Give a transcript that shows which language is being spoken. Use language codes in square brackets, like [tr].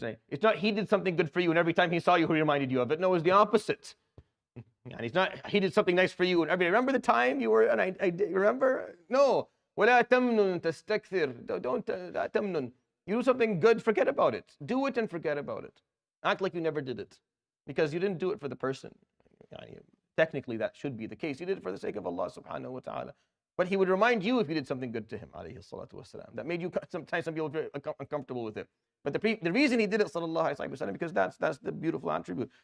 [en] It's not he did something good for you and every time he saw you, he reminded you of it. No, it was the opposite. And he's not, he did something nice for you and everybody. Remember the time you were, and I remember? No. [ar] وَلَا تَمْنُن تَسْتَكْثِرْ [en] Don't, [ar] لَا تَمْنُن. [en] You do something good, forget about it. Do it and forget about it. Act like you never did it. Because you didn't do it for the person. Technically, that should be the case. You did it for the sake of Allah subhanahu wa ta'ala. But he would remind you if you did something good to him, alayhi salatu wasalam. That made you, sometimes some people feel uncomfortable with it. But the reason he did it, sallallahu alayhi wa sallam, because that's the beautiful attribute.